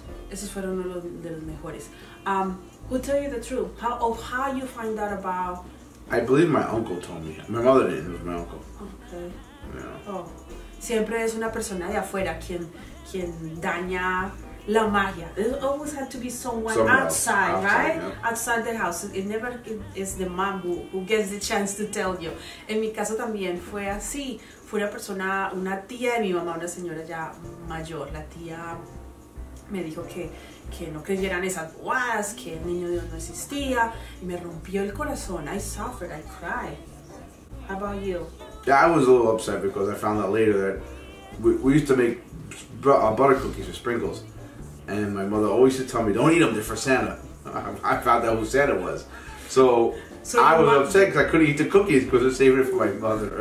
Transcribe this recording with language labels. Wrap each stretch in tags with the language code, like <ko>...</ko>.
<es>Esos fueron uno de los mejores.</es> <en>Who told you the truth? How you find out about? I believe my uncle told me. My mother didn't. It was my uncle. Okay. Yeah. Oh.</en> <es>Siempre es una persona de afuera quien daña la magia.</es> <en>It always had to be someone outside, right? Yeah. Outside the house. It's the mom who gets the chance to tell you.</en> <es>En mi caso también fue así. Fue una persona, una tía de mi mamá, una señora ya mayor, la tía. Me dijo que no creyeran esas guas, que el Niño Dios no existía, y me rompió el corazón.</es> <en>I suffered, I cried. How about you? Yeah, I was a little upset because I found out later that we used to make butter cookies with sprinkles, and my mother always used to tell me, don't eat them, they're for Santa. I found out who Santa was. So I was upset because I couldn't eat the cookies because it was saving it for my mother.</en>